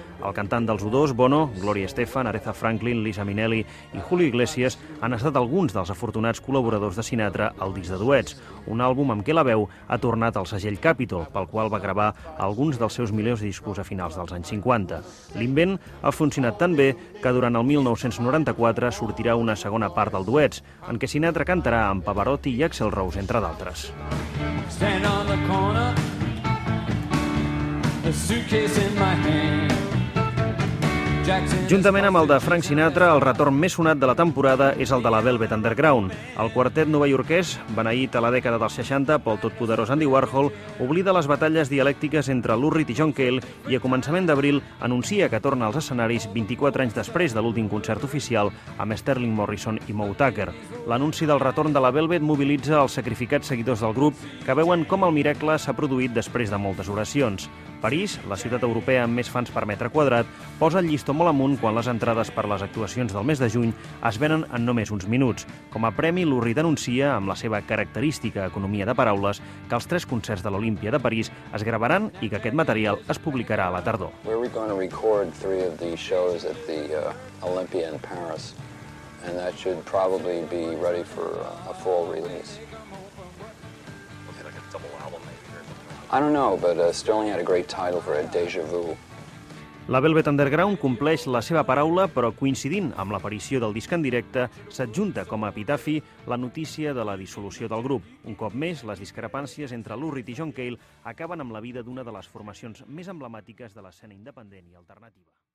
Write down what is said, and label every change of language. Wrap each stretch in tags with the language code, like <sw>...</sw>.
<ca>El cantant dels U2, Bono, Gloria Estefan, Aretha Franklin, Liza Minnelli i Julio Iglesias han estat alguns dels afortunats col·laboradors de Sinatra al disc de duets, un àlbum amb què la veu ha tornat al segell Capitol, pel qual va gravar alguns dels seus millors discos a finals dels anys 50. L'invent ha funcionat tan bé que durant el 1994 sortirà una segona part del duets, en què Sinatra cantarà amb Pavarotti i Axl Rose, entre d'altres.</ca> <en>Stand on the corner, the suitcase in my hand.</en> <ca>Juntament amb el de Frank Sinatra, el retorn més sonat de la temporada és el de la Velvet Underground. El quartet novaiorquès, beneït a la dècada dels 60 pel totpoderós Andy Warhol, oblida les batalles dialèctiques entre Lou Reed i John Cale i a començament d'abril anuncia que torna als escenaris 24 anys després de l'últim concert oficial amb Sterling Morrison i Moe Tucker. L'anunci del retorn de la Velvet mobilitza els sacrificats seguidors del grup que veuen com el miracle s'ha produït després de moltes oracions. París, la ciutat europea amb més fans per metre quadrat, posa el llistó molt amunt quan les entrades per les actuacions del mes de juny es venen en només uns minuts. Com a premi, Lou Reed anuncia, amb la seva característica economia de paraules, que els tres concerts de l'Olímpia de París es gravaran i que aquest material es publicarà a la tardor.</ca> <en>Where are we going to record three of the shows at the Olympia in Paris? And that should probably be ready for a fall release. I don't know, but Sterling had a great title for it, Deja Vu.</en> <ca>La Velvet Underground compleix la seva paraula, però coincidint amb l'aparició del disc en directe, s'adjunta com a epitafi la notícia de la dissolució del grup. Un cop més, les discrepàncies entre Lou Reed i John Cale acaben amb la vida d'una de les formacions més emblemàtiques de l'escena independent i alternativa.</ca>